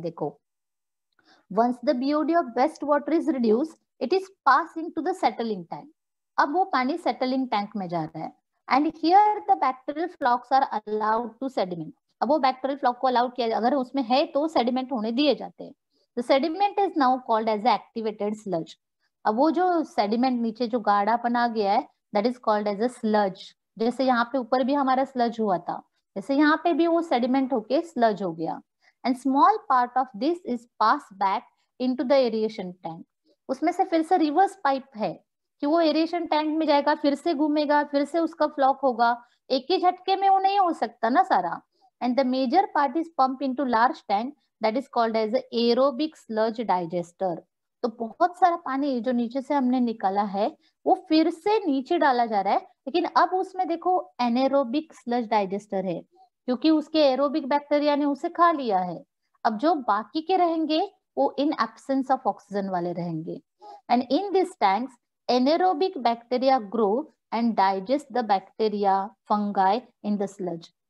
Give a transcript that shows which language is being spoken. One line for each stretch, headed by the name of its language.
English: देखो, once the BOD of waste water is reduce, it is passing to the settling tank.
Hindi: अब वो पानी settling tank में जा रहा है,
English: And here the bacterial flocs are allowed to sediment.
Hindi: अब वो बैक्टीरियल फ्लॉक को अलाउड किया, अगर उसमें है तो सेडिमेंट होने दिए जाते हैं।
English: The sediment is now called as activated sludge.
Hindi: अब वो जो sediment नीचे जो गाढ़ापन आ गया है,
English: that is called as a sludge.
Hindi: जैसे यहाँ पे ऊपर भी हमारा sludge हुआ था, जैसे यहाँ पे भी वो sediment होके sludge हो गया.
English: And small part of this is passed back into the aeration tank.
Hindi: उसमें से फिर से reverse pipe है कि वो aeration tank में जाएगा, फिर से घूमेगा, फिर से उसका flock होगा, एक ही झटके में वो नहीं हो सकता ना सारा.
English: And the major part is pumped into large tank. That is called as aerobic sludge digester.
Hindi: तो बहुत सारा पानी जो नीचे से हमने निकाला है वो फिर से नीचे डाला जा रहा है, लेकिन अब उसमें देखो anaerobic sludge digester है, क्योंकि उसके aerobic bacteria ने उसे खा लिया है। अब जो बाकी के रहेंगे
English: वो in absence of oxygen वाले रहेंगे. And in this tanks anaerobic bacteria grow and digest the bacteria fungi in the sludge.